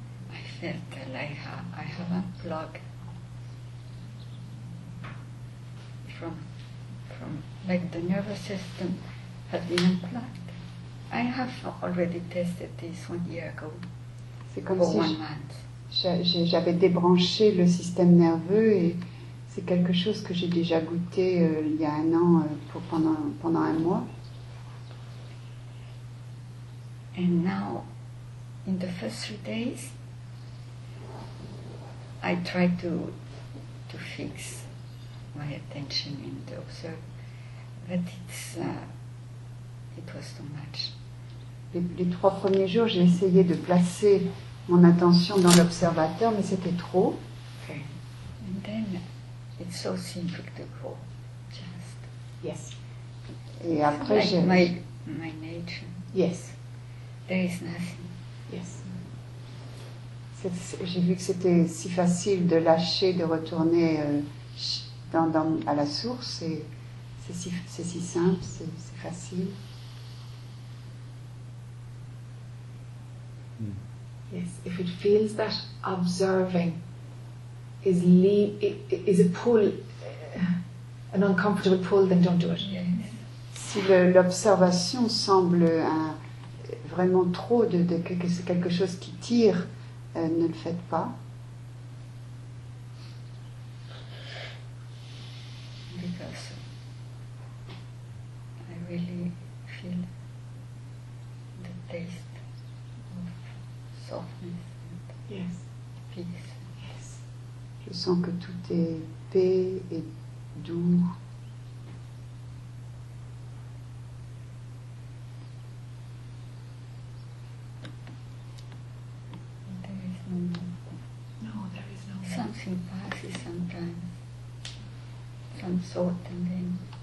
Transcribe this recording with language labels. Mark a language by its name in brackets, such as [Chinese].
[English] I felt that I have unplugged from like the nervous system had been unplugged. I have already tested this 1 year ago. [French] C'est comme si j'avais débranché le système nerveux et c'est quelque chose que j'ai déjà goûté il y a un an pendant un mois. [English] And now, in the first 3 days, I try to fix my attention in the observer, but it was too much. [French] Les 3 premiers jours, j'ai essayé de placer mon attention dans l'observateur, mais c'était trop. [English] Okay. And then, it's so simple to go, just. Yes. [French] Et après, [English] like my nature. Yes. There is nothing. Yes. [French] J'ai vu que c'était si facile de lâcher, de retourner à la source, et c'est si simple, c'est facile. [English] Yes, if it feels that observing is a pull, an uncomfortable pull, then don't do it. [French] Si l'observation semble vraiment trop de que c'est quelque chose qui tire, ne le faites pas. [English] Because I really feel the taste of softness and peace. [French] Je sens que tout est paix et doux. [English] There is no movement. No, there is no movement. Something passes sometimes. Some sort and then.